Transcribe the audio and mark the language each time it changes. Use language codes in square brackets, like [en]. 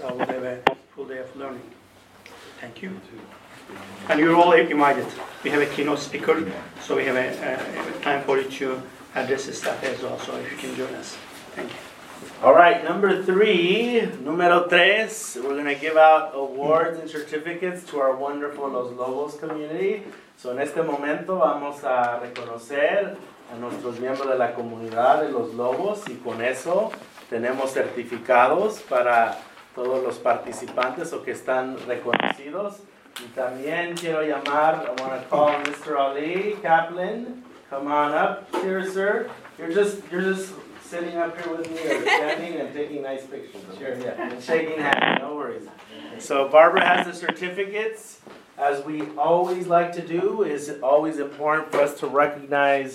[en] We'll have a full day of learning. Thank you. And you're all invited. We have a keynote speaker, so we have a time for you to address the staff as well, so if you can join us. Thank you. All right, number three, [es] numero tres, [en] we're going to give out awards and certificates to our wonderful Los Lobos community. [es] So en este momento vamos a reconocer a nuestros miembros de la comunidad de Los Lobos y con eso tenemos certificados para todos los participantes o que están reconocidos. Y también quiero llamar, [en] I want to call Mr. Ali Kaplan. Come on up here, sir. You're just sitting up here with me, standing and taking nice pictures. Sure, yeah. And shaking hands, no worries. So Barbara has the certificates. As we always like to do, is always important for us to recognize...